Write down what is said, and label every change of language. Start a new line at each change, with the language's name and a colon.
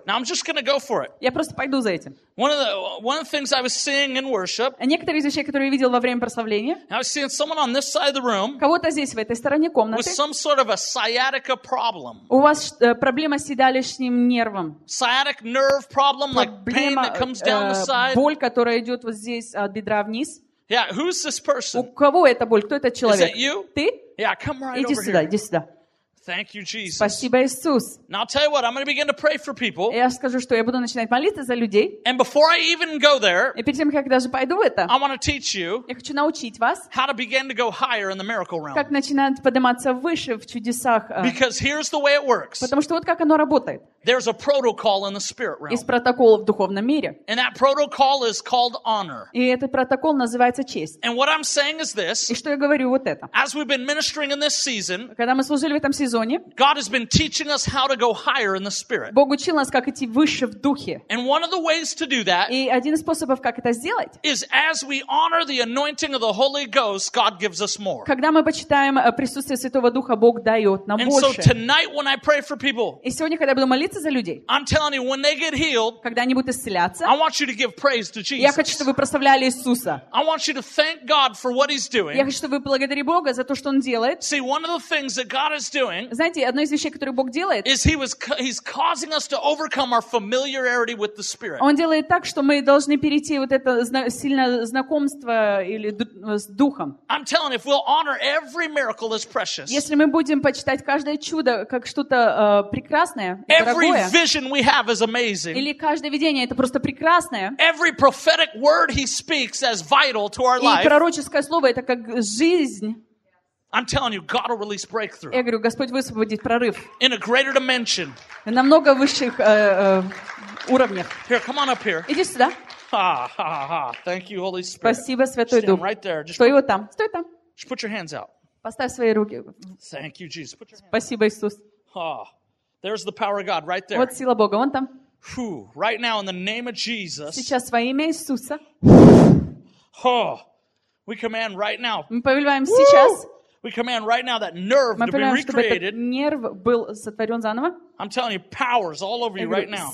English: Now I'm just going to go for it.
Russian: Я просто пойду за этим.
English: One of the things I was seeing in worship.
Russian: Некоторые из вещей, которые я видел во время прославления.
English: I was seeing someone on this side of the room.
Russian: Кого-то здесь в этой стороне комнаты.
English: With some sort of a sciatica problem.
Russian: У вас проблема с седалищным нервом.
English: Sciatic nerve problem, like pain that comes down the side.
Russian: Боль, которая идет вот здесь от бедра вниз.
English: Yeah, who's this person?
Russian: У кого эта боль? Кто этот человек?
English: Is it you?
Russian: Ты?
English: Yeah, come right
Russian: иди
English: over
Russian: сюда,
English: here.
Russian: Иди сюда.
English: Thank you, Jesus.
Russian: Спасибо, Иисус.
English: Now I'll tell you what, I'm going to begin to pray for people.
Russian: Я скажу, что я буду начинать молиться за людей.
English: And before I even go there,
Russian: и перед тем, как я даже пойду в это,
English: I want to teach you,
Russian: я хочу научить вас,
English: how to begin to go higher in the miracle realm.
Russian: Как начинать подниматься выше в чудесах.
English: Because here's the way it works.
Russian: Потому что вот как оно работает.
English: There's a protocol in the spirit realm.
Russian: Есть протокол в духовном мире.
English: And that protocol is called honor.
Russian: И этот протокол называется честь.
English: And what I'm saying is this.
Russian: И что я говорю вот это.
English: As we've been ministering in this season,
Russian: когда мы служили в этом сезоне, сезоне.
English: God has been teaching us how to go higher in the spirit.
Russian: Бог учил нас, как идти выше в духе.
English: And one of the ways to do that.
Russian: И один из способов, как это сделать.
English: Is as we honor the anointing of the Holy Ghost, God gives us more.
Russian: Когда мы почитаем присутствие Святого Духа, Бог дает нам больше.
English: And so tonight when I pray for people.
Russian: И сегодня, когда буду молиться за людей.
English: I'm telling you, when they get healed.
Russian: Когда они будут исцеляться.
English: I want you to give praise to Jesus.
Russian: Я хочу, чтобы вы прославляли Иисуса.
English: I want you to thank God for what He's doing.
Russian: Я хочу, чтобы вы благодарили Бога за то, что Он делает.
English: See, one of the things that God is doing.
Russian: Знаете, одно из вещей, которые Бог делает.
English: Is He's causing us to overcome our familiarity with the Spirit.
Russian: Он делает так, что мы должны перейти вот это сильное знакомство или с Духом.
English: I'm telling you, if we'll honor every miracle as precious.
Russian: Если мы будем почитать каждое чудо как что-то прекрасное,
English: every vision we have is amazing.
Russian: Или каждое видение это просто прекрасное.
English: Every prophetic word He speaks as vital to our life.
Russian: И пророческое слово это как жизнь.
English: I'm telling you, God will release breakthrough.
Russian: Я говорю, Господь высвободит прорыв.
English: In a greater dimension.
Russian: На много высших уровнях.
English: Here, come on up here.
Russian: Иди сюда.
English: Thank you, Holy Spirit.
Russian: Спасибо, Святой
English: Stand
Russian: Дух.
English: Right there.
Russian: Стой вот там. Стой там.
English: Just put your hands out.
Russian: Поставь свои руки.
English: Thank you, Jesus. Put your hands
Russian: Спасибо, Иисус.
English: There's the power of God right there.
Russian: Вот сила Бога, вон там.
English: Right now, in the name of Jesus.
Russian: Сейчас во имя Иисуса.
English: We command right now.
Russian: Мы повелеваем сейчас.
English: We command right now that nerve to be recreated.
Russian: Мы повелеваем, чтобы этот нерв был сотворен заново.
English: I'm telling you, power's all over you right now.